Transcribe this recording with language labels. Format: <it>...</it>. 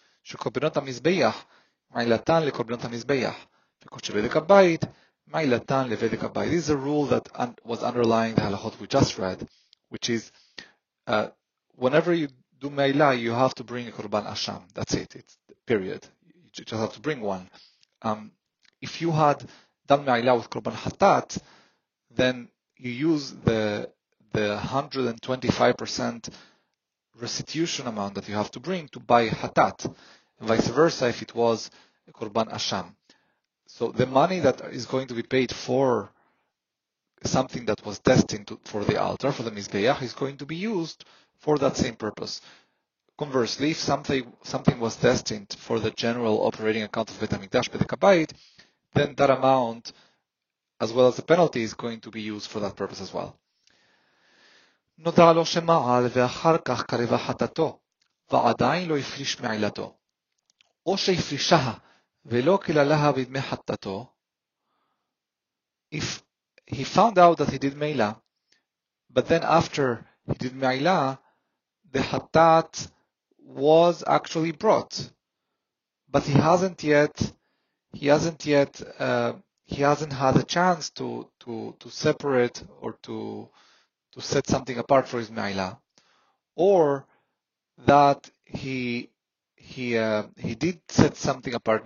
<he>שקורבנות המזבח, מעילתן לקורבנות המזבח. וקודשי בדק הבית, מעילתן לבדק הבית.</he> <en>This is a rule that un was underlying the halachot we just read, which is whenever you do meila, you have to bring a korban asham. That's it. It's period. You just have to bring one. If you had done meila with korban hatat, then you use the 125% restitution amount that you have to bring to buy hatat. And vice versa, if it was a korban asham, so the money that is going to be paid for something that was destined to, for the altar, for the mizbeach, is going to be used for that same purpose. Conversely, if something was destined for the general operating account of Bet HaMikdash, Bet HaKabayit, then that amount, as well as the penalty, is going to be used for that purpose as well.</en> <he>נודע לו שמעל ואחר כך קרבה חטאתו, ועדיין לא הפריש מעילתו. או שהפרישה ולא כללה בדמי חטאתו.</he> <en>If he found out that he did meila, but then after he did meila, the hatat was actually brought, but he hasn't had a chance to separate or to set something apart for his meila, or that he did set something apart.</en>